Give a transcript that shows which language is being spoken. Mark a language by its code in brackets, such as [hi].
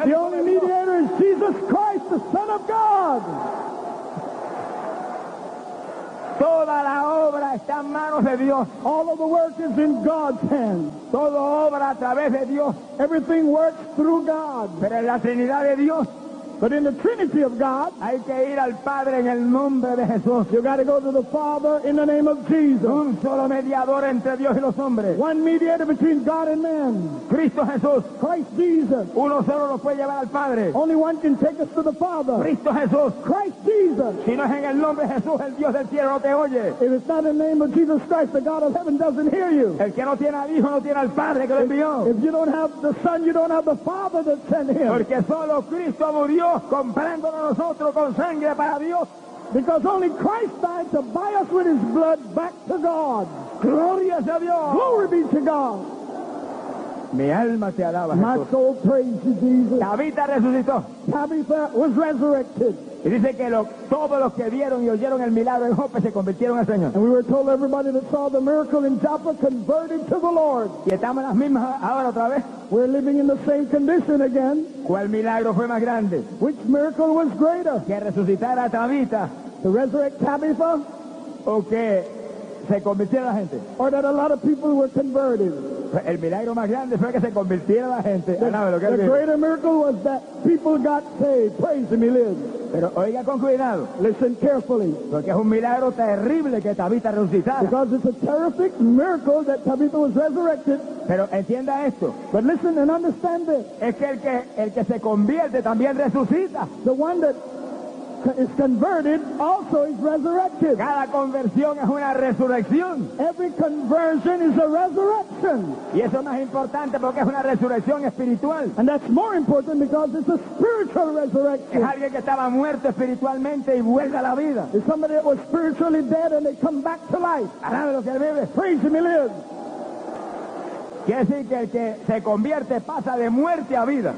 [en] The only mediator is Jesus Christ, the Son of God. [es] Toda la obra está en manos de Dios. [en] All of the work is in God's hand. [es] Todo obra a través de Dios. [en] Everything works through God. [es] Pero en la Trinidad de Dios. [en] But in the Trinity of God, [es] hay que ir al Padre en el nombre de Jesús. [en] You got to go to the Father in the name of Jesus. [es] Un solo mediador entre Dios y los hombres. [en] One mediator between God and man. [es] Cristo Jesús. [en] Christ Jesus. [es] Uno solo nos puede llevar al Padre. [en] Only one can take us to the Father. [es] Cristo Jesús. [en] Christ Jesus. [es] Si no es en el nombre de Jesús, el Dios del cielo no te oye. [en] If it's not in the name of Jesus Christ, the God of heaven doesn't hear you. [es] El que no tiene al Hijo no tiene al Padre que lo envió. [en] If you don't have the Son, you don't have the Father that sent him. [es] Porque solo Cristo murió comprándonos nosotros con sangre para Dios. [en] Because only Christ died to buy us with his blood back to God. [es] Gloria a Dios. [en] Glory be to God. [es] Mi alma te alaba, [en] my [es] Jesús. [en] Soul praises Jesus. [es] Tabitha resucitó. [en] Tabitha was resurrected. [es] Y dice que todos los que vieron y oyeron el milagro en Joppa se convirtieron al Señor. [en] And we were told everybody that saw the miracle in Joppa converted to the Lord. [es] Y estamos las mismas ahora otra vez. [en] We're living in the same condition again. [es] ¿Cuál milagro fue más grande? [en] Which miracle was greater? [es] Que resucitar a Tabitha. [en] To resurrect Tabitha. [es] Okay. Se convirtiera la gente. [en] Or that a lot of people were converted. [es] El milagro más grande fue que se convirtiera la gente. [en] The greater miracle was that people got saved. Praise him, he lives. [es] Pero oiga con cuidado. [en] Listen carefully. [es] Porque es un milagro terrible que Tabitha resucitara. [en] Because it's a terrific miracle that Tabitha was resurrected. [es] Pero entienda esto. [en] But listen and understand this. [es] Es que el que se convierte también resucita. [en] The one that is converted also is resurrected. [es] Cada conversión es una resurrección. [en] Every conversion is a resurrection. [es] Y eso es más importante porque es una resurrección espiritual. [en] And that's more important because it's a spiritual resurrection. [es] Es alguien que estaba muerto espiritualmente y vuelve a la vida. [en] It's somebody that was spiritually dead and they come back to life. [es] Alabe lo que vive. [en] Praise him, he lives. [es] Quiere decir que el que se convierte pasa de muerte a vida.